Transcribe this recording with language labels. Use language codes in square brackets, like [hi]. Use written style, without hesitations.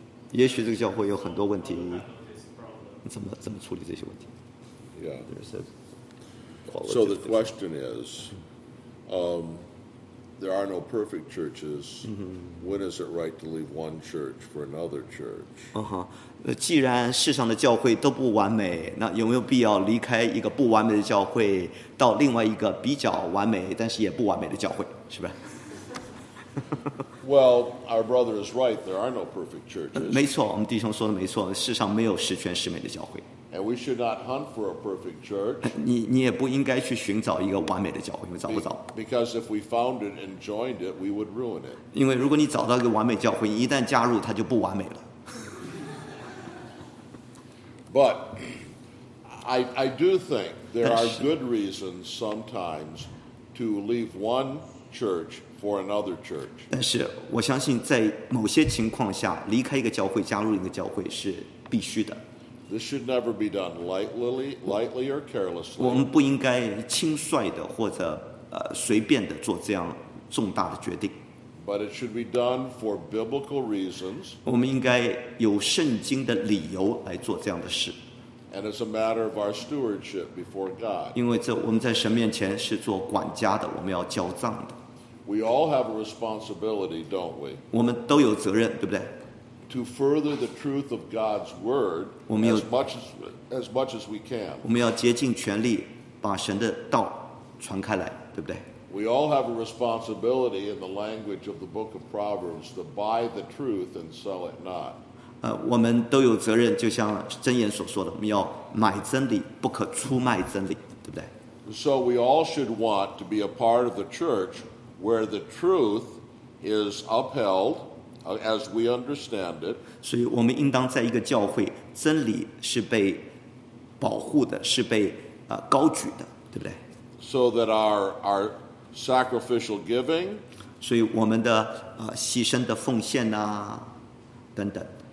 [zh] 也许这个教会有很多问题，怎么处理这些问题？Yeah. [en] So the question is, there are no perfect churches. When is it right to leave one church for another church? [zh] 既然世上的教会都不完美，那有没有必要离开一个不完美的教会，到另外一个比较完美但是也不完美的教会？是吧？ [en] Well, our brother is right. There are no perfect churches. [zh] 没错，我们弟兄说的没错，世上没有十全十美的教会。 [en] And we should not hunt for a perfect church. [zh] 你也不应该去寻找一个完美的教会，因为找不着。 [en] Because if we found it and joined it, we would ruin it. [zh] 因为如果你找到一个完美教会，你一旦加入，它就不完美了。 [en] But I do think there are good reasons sometimes to leave one church. For another church. [zh] 但是我相信在某些情况下离开一个教会加入一个教会是必须的。 [en] This should never be done lightly or carelessly. [zh] 我们不应该轻率的或者随便的做这样重大的决定。 [en] But it should be done for biblical reasons. [zh] 我们应该有圣经的理由来做这样的事。 [en] And it's a matter of our stewardship before God. [zh] 因为这我们在神面前是做管家的，我们要交账的。 [en] We all have a responsibility, don't we? [zh] 我们都有责任，对不对？ [en] To further the truth of God's word as much as we can. [zh] 我们要竭尽全力把神的道传开来，对不对？ [en] We all have a responsibility in the language of the book of Proverbs to buy the truth and sell it not. [zh] 我们都有责任，就像箴言所说的，我们要买真理，不可出卖真理，对不对？ [en] So we all should want to be a part of the church. Where the truth is upheld, as we understand it. [zh] 所以我们应当在一个教会，真理是被保护的，是被高举的，对不对？ [en] So that our sacrificial giving. [zh] 所以我们的牺牲的奉献啊，等等。